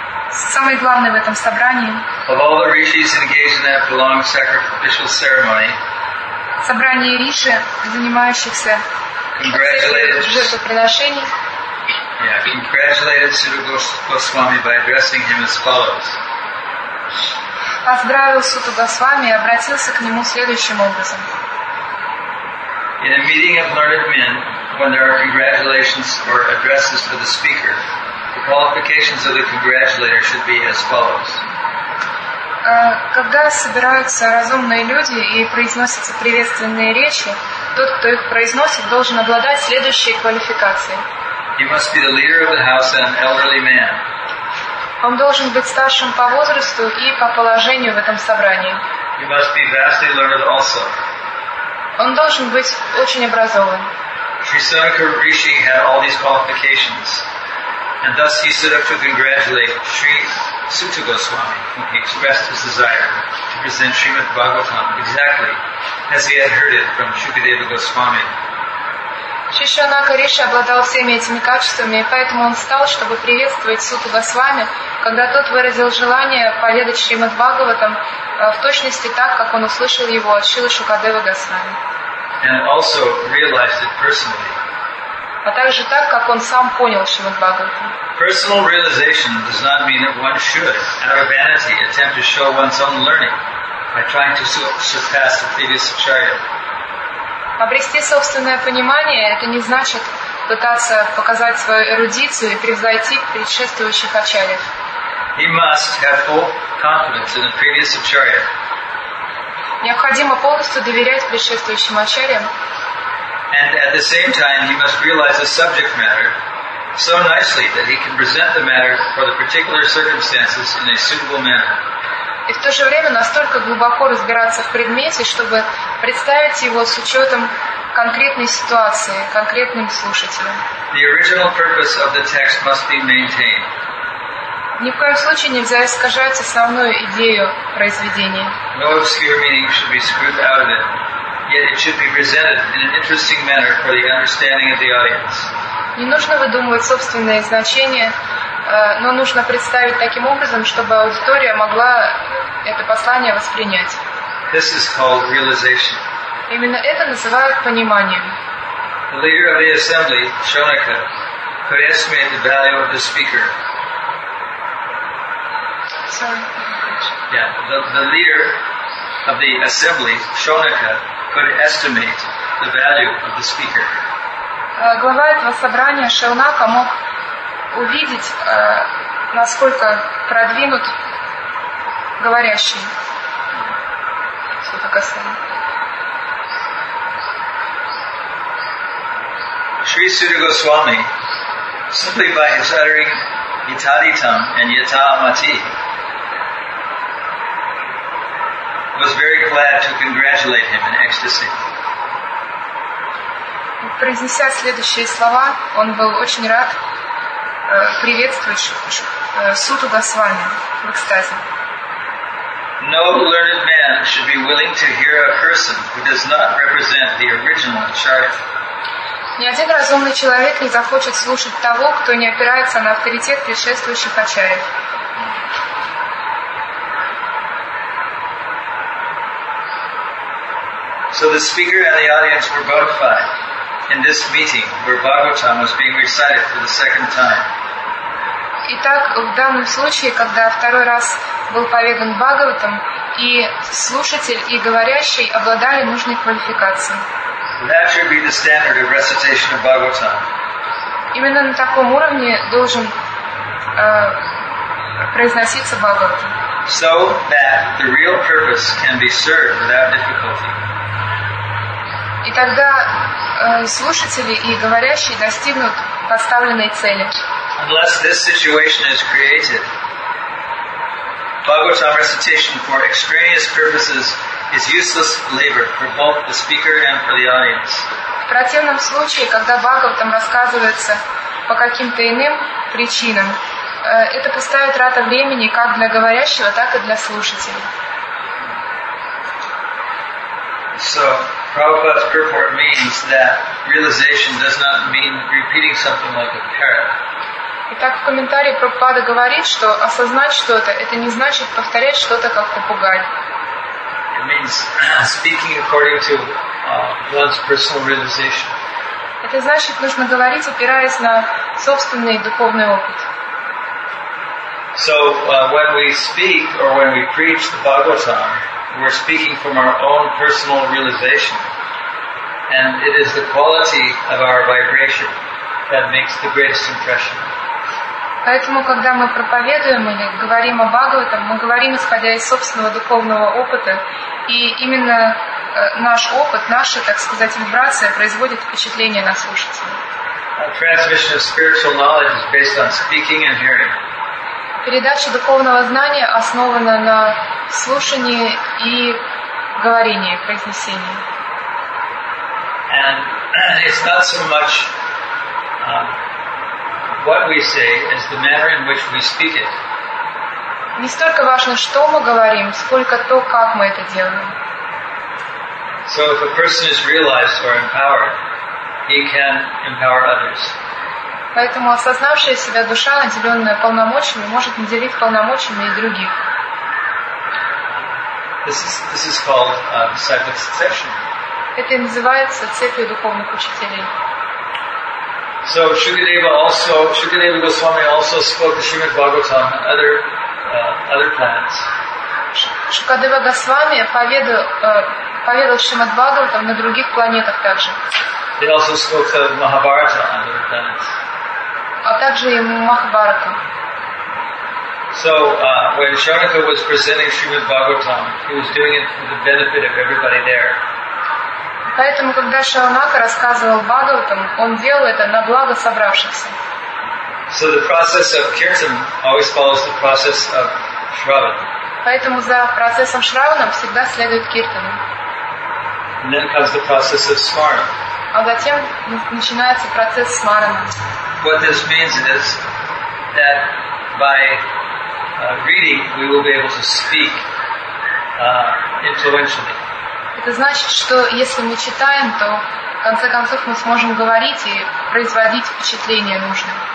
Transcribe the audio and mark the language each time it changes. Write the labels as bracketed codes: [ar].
[ru] самый главный в этом собрании, [en] of all the rishis engaged in that prolonged sacrificial ceremony, [ru] собрание риши, занимающихся жертвоприношений, [en] congratulated Sudha Goswami by addressing him as follows. [ru] Поздравил Суту Госвами и обратился к нему следующим образом. [en] In a meeting of learned men, when there are congratulations or addresses for the speaker, the qualifications of the congratulator should be as follows. [ru] Когда собираются разумные люди и произносятся приветственные речи, тот, кто их произносит, должен обладать следующей квалификацией. [en] He must be the leader of the house and an elderly man. [ru] Он должен быть старшим по возрасту и по положению в этом собрании. [en] He must be vastly learned also. [ru] Он должен быть очень образован. [en] Trisanka Rishi had all these qualifications, and thus he stood up to congratulate Sri Suta Goswami, when he expressed his desire to present Srimad Bhagavatam exactly as he had heard it from Shukadeva Goswami. [ru] Trisanka Rishi обладал всеми этими качествами, и поэтому он встал, чтобы приветствовать Суту Госвами, когда тот выразил желание поведать Шримад Бхагаватам в точности так, как он услышал его от Шрилы Шукадевы Госвами. [en] And also realized it personally. [ru] А также так, как он сам понял Шримад Бхагаватам. [en] Personal realization does not mean that one should, out of vanity, attempt to show one's own learning by trying to surpass the previous acharya. [ru] Обрести собственное понимание – это не значит пытаться показать свою эрудицию и превзойти предшествующих ачарьев. [en] He must have full confidence in the previous acharya. [ru] Необходимо полностью доверять предшествующим ачарьям. [en] And at the same time, he must realize the subject matter so nicely that he can present the matter for the particular circumstances in a suitable manner. [ru] И в то же время настолько глубоко разбираться в предмете, чтобы представить его с учетом конкретной ситуации, конкретным слушателям. [en] The original purpose of the text must be maintained. [ru] Ни в коем случае нельзя искажать основную идею произведения. [en] No obscure meaning should be screwed out of it, yet it should be presented in an interesting manner for the understanding of the audience. [ru] Не нужно выдумывать собственные значения, но нужно представить таким образом, чтобы аудитория могла это послание воспринять. [en] This is called realization. [ru] Именно это называют пониманием. [en] The leader of the assembly, Shonaka, could estimate the value of the speaker. Sorry. Yeah, the leader of the assembly, Shonaka, could estimate the value of the speaker. [ru] Глава этого собрания Шонака мог увидеть, насколько продвинут говорящий. Что-то касается. [en] Sri Suta Goswami, simply by his uttering Itaditam and Yata Amati, was very glad to congratulate him in ecstasy. [ru] Произнеся следующие слова, он был очень рад приветствовать Суту Госвами в экстазе. [en] No learned man should be willing to hear a person who does not represent the original acharya. [ru] Ни один разумный человек не захочет слушать того, кто не опирается на авторитет предшествующих ачарьев. [en] So the speaker and the audience were bona fide in this meeting where Bhagavatam was being recited for the second time. [ru] Итак, в данном случае, когда второй раз был поведан Бхагаватам, и слушатель, и говорящий обладали нужной квалификацией. [en] That should be the standard of recitation of Bhagavatam. [ru] Именно на таком уровне должен произноситься Бхагаватам. [en] So that the real purpose can be served without difficulty. [ru] И тогда слушатели и говорящие достигнут поставленной цели. [en] Unless this situation is created, Bhagavatam recitation for extraneous purposes is useless labor for both the speaker and for the audience. [ru] В противном случае, когда Бхагаватам рассказывается по каким-то иным причинам, это пустая трата времени как для говорящего, так и для слушателей. [en] So, Prabhupada's purport means that realization does not mean repeating something like a parrot. [ru] Итак, в комментарии Прабхупада говорит, что осознать что-то — это не значит повторять что-то как попугай. [en] It means speaking according to one's personal realization. [ru] Это значит, нужно говорить, опираясь на собственный духовный опыт. [en] So, when we speak or when we preach the Bhagavatam, we're speaking from our own personal realization. And it is the quality of our vibration that makes the greatest impression. [ru] Поэтому, когда мы проповедуем или говорим о Бхагаватам, мы говорим, исходя из собственного духовного опыта, и именно наш опыт, наша, так сказать, вибрация производит впечатление на слушателя. [en] Transmission of spiritual knowledge is based on speaking and hearing. [ru] Передача духовного знания основана на слушании и говорении, произнесении. [en] And it's not so much what we say as the manner in which we speak it. [ru] Не столько важно, что мы говорим, сколько то, как мы это делаем. [en] So if a person is realized or empowered, he can empower others. [ru] Поэтому осознавшая себя душа, наделенная полномочиями, может наделить полномочиями и других. [en] This is called disciple succession. [ru] Это и называется цепью духовных учителей. [en] So Shukadeva Goswami also spoke the Srimad Bhagavatam and other planets. [ru] Шукадева Госвами поведал Шримад Бхагаватам на других планетах также. [en] He also spoke the Mahabharata on other planets. [ru] А также и Махабхарата. [en] So when Sharanka was presenting Srimad Bhagavatam, he was doing it for the benefit of everybody there. [ru] Поэтому, когда Шаранака рассказывал Бхагаватам, он делал это на благо собравшихся. [en] So the process of kirtan always follows the process of shravan. [ru] Поэтому за процессом шравана всегда следует киртана. [en] And then comes the process of smarana. [ru] А затем начинается процесс смарана. [en] What this means is that by reading we will be able to speak influentially. [ru] Это значит, что если мы читаем, то в конце концов мы сможем говорить и производить впечатление нужное.